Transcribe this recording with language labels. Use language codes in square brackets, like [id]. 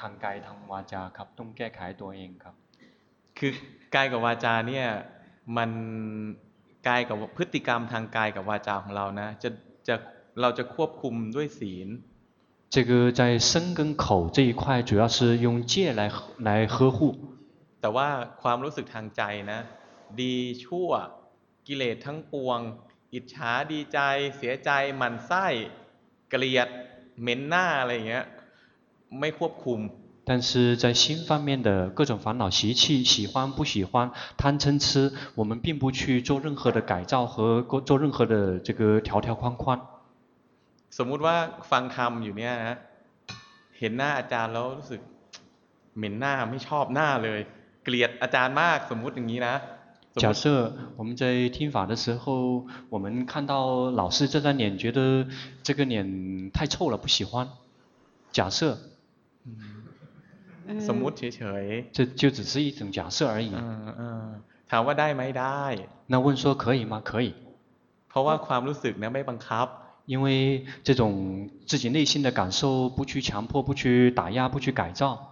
[th] ทางกายทางวาจาครับต้องแก้ไขตัวเองครับ คือกายกับวาจาเนี่ยมันกายกับพฤติกรรมทางกายกับวาจาของเรานะจะเราจะควบคุมด้วยศีล [zh] 这个在身跟口这一块主要是用戒来呵护 [th] แต่ว่าความรู้สึกทางใจนะดีชั่วกิเลสทั้งปวงอิจฉาดีใจเสียใจหมั่นไส้เกลียดเหม็นหน้าอะไรอย่างเงี้ยไม่ควบคุม [zh] 但是在心方面的各种烦恼习气喜欢不喜欢贪嗔痴我们并不去做任何的改造和做任何的这个条条框框 [th] สมมติว่าฟังธรรมอยู่เนี่ยนะเห็นหน้าอาจารย์แล้วรู้สึกเหม็นหน้าไม่ชอบหน้าเลยเกลียดอาจารย์มากสมมติอย่างนี้นะ [zh] 假设我们在听法的时候我们看到老师这张脸觉得这个脸太臭了不喜欢假设 [th] สมมติเฉยๆ [zh] 就只是一种假设而已 [th] ถามว่าได้ไหมได้ [zh] 那问说可以吗可以 [th] เพราะว่าความรู้สึกเนี่ยไม่บังคับ [zh] 因为这种自己内心的感受不去强迫不去打压不去改造